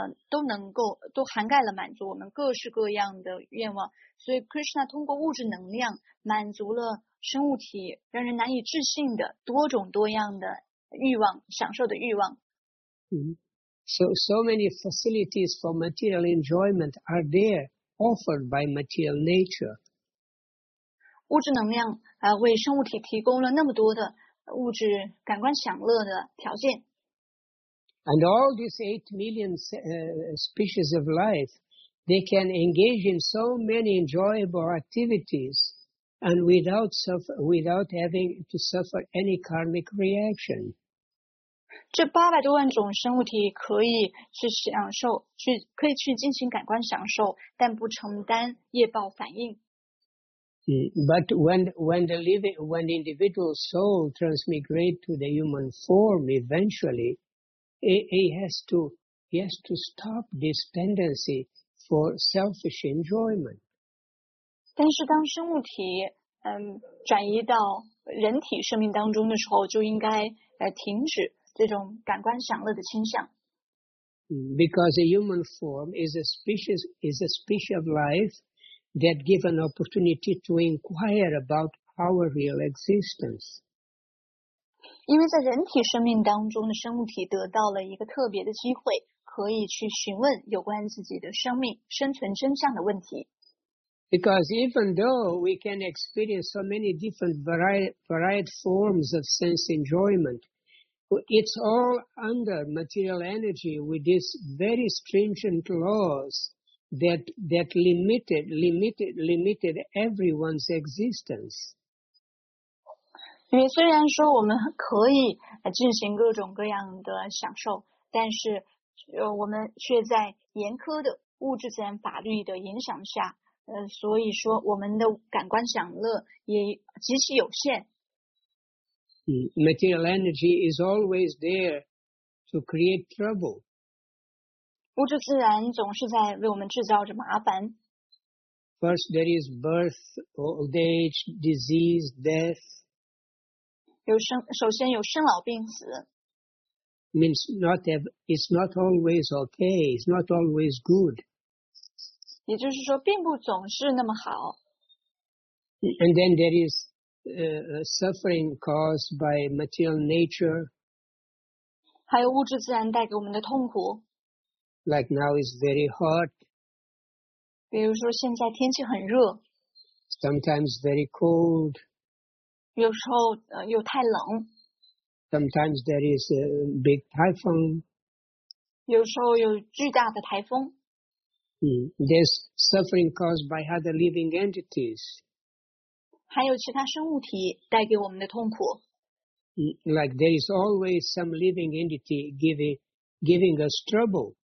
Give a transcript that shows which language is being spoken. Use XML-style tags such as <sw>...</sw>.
<zh>都涵盖了满足我们各式各样的愿望，所以 Krishna 通过物质能量满足了生物体让人难以置信的多种多样的欲望，享受的欲望。</zh> <en>So many facilities for material enjoyment are there offered by material nature.</en> <zh>物质能量为生物体提供了那么多的物质感官享乐的条件。</zh> <en>And all these 8 million species of life, they can engage in so many enjoyable activities and without having to suffer any karmic reaction.</en> <zh>这八百多万种生物体可以去享受，可以去进行感官享受，但不承担业报反应。</zh> <en>But when the individual soul transmigrate to the human form eventually,He has to stop this tendency for selfish enjoyment.</en> <zh>但是当生物体转移到人体生命当中的时候，就应该停止这种感官享乐的倾向。</zh> <en>Because a human form is a species of life that gives an opportunity to inquire about our real existence.</en> <zh>因为在人体生命当中的生物体得到了一个特别的机会，可以去询问有关自己的生命生存真相的问题。</zh> <en>Because even though we can experience so many different varied forms of sense enjoyment, it's all under material energy with these very stringent laws that limited everyone's existence.</en> <zh>因为虽然说我们可以进行各种各样的享受，但是我们却在严苛的物质自然法律的影响下，所以说我们的感官享乐也极其有限。</zh> <en>Material energy is always there to create trouble.</en> <zh>物质自然总是在为我们制造着麻烦。</zh> <en>First, there is birth, old age, disease, death.</en> <zh>首先有生老病死。</zh> <en>Means not have, it's not always okay, it's not always good.</en> <zh>也就是说并不总是那么好。</zh> <en>And then there is suffering caused by material nature.</en> <zh>还有物质自然带给我们的痛苦。</zh> <en>Like now it's very hot.</en> <zh>比如说现在天气很热。</zh> <en>Sometimes very cold.</en> <zh>有时候又太冷。</zh> <en>Sometimes there is a big typhoon.</en> <zh>有时候有巨大的台风。</zh> <en>There's suffering caused by other living entities.</en> <zh>还有其他生物体带给我们的痛苦。</zh> <en>Like there is always some living entity giving us trouble.</en>